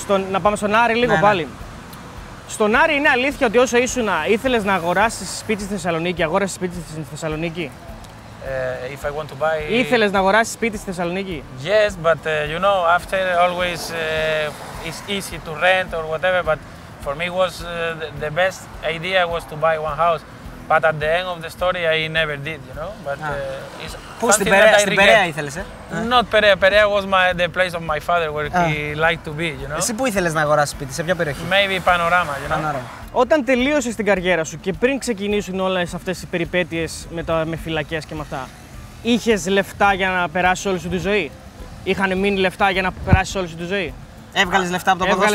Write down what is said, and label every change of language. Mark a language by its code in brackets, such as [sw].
[el] Να πάμε στον Άρη λίγο πάλι. Στον Άρη είναι αλήθεια ότι όσο ήσουν ήθελες να αγοράσεις σπίτι στη Θεσσαλονίκη, αγόρασες σπίτι στη Θεσσαλονίκη. [en] If I want to buy. [el] Ήθελες να αγοράσεις σπίτι στη Θεσσαλονίκη. [en] Yes, but you know, after always it's easy to rent or whatever. But for me was the best idea was to buy one house. But at the end of the story, I never did, you know. But it's something that I regret. [el] Πού στην Περέα ήθελες, [en] Not Περέα. Περέα was the place of my father where he liked to be, you know. [el] Εσύ πού ήθελες να αγοράσεις σπίτι, σε ποια περιοχή? [en] Maybe Panorama, you know. Panorama. [el] Όταν τελείωσες την καριέρα σου και πριν ξεκινήσουν όλες αυτές οι περιπέτειες με φυλακές και με αυτά, είχες λεφτά για να περάσεις όλη σου τη ζωή? Είχανε μείνει λεφτά για να περάσεις όλη σου τη ζωή? Έβγαλες λεφτά από το ποδόσφαιρο.